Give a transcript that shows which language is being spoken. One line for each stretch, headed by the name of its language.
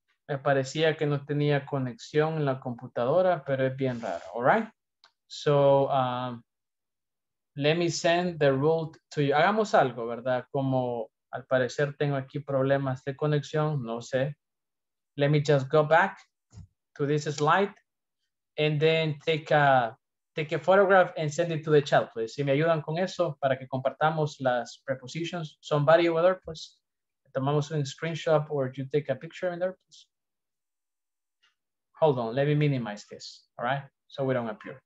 Spanish: me parecía que no tenía conexión en la computadora, pero es bien raro.
English: All right. So, let me send the rule to you.
Spanish: Hagamos algo, ¿verdad? Como al parecer tengo aquí problemas de conexión, no sé.
English: Let me just go back to this slide and then take a photograph and send it to the chat, please.
Spanish: Si me ayudan con eso para que compartamos las prepositions,
English: somebody over there,
Spanish: pues. Tomamos un screenshot
English: or you take a picture in there, please. Hold on, let me minimize this, all right? So we don't appear.